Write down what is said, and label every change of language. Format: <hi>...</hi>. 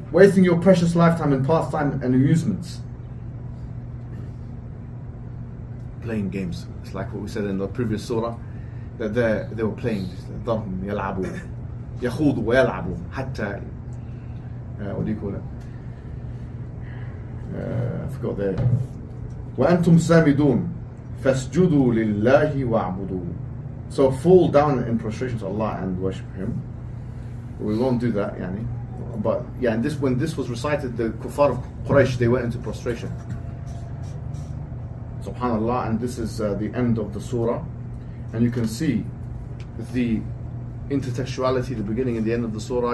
<en>Wasting your precious lifetime in pastime and amusements. Playing games. It's like what we said in the previous surah, that they were playing.</en> <ar>ضَرْهُمْ يَلْعَبُونَ. يخوض ويلعب حتى</ar> <en>what do you call it? I forgot there.</en> <ar>وأنتم سامدون فاسجدوا لله واعبدوا.</ar> <en>So fall down in prostration to Allah and worship Him. We won't do that, يعني. But yeah, and this, when this was recited, the kuffar of Quraysh, they went into prostration. Subhanallah. And this is the end of the surah, and you can see the intertextuality, the beginning and the end of the surah.</en>